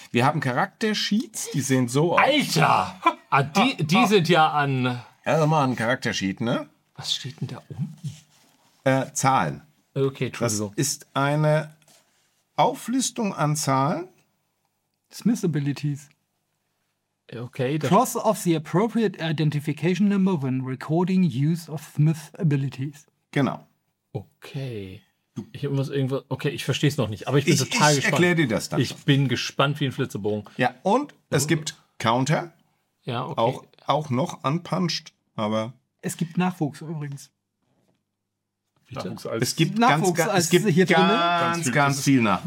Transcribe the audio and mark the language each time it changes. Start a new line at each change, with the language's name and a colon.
German: Wir haben Charaktersheets, die sehen so aus. Alter! Die sind ja an... Also mal ein Charaktersheet, ne? Was steht denn da unten? Zahlen.
English: Okay, true.
German: Das ist eine Auflistung an Zahlen.
English: Smith Abilities. Okay. Cross off the appropriate identification number when recording use of Smith Abilities.
German: Genau. Okay. Ich muss irgendwo. Okay, ich verstehe es noch nicht, aber ich bin total gespannt. Ich erkläre dir das dann. Ich bin gespannt wie ein Flitzebogen. Ja, und es gibt Counter. Ja, okay. Auch noch unpunched, aber. Es gibt Nachwuchs übrigens. Es gibt ganz viel Nachwuchs.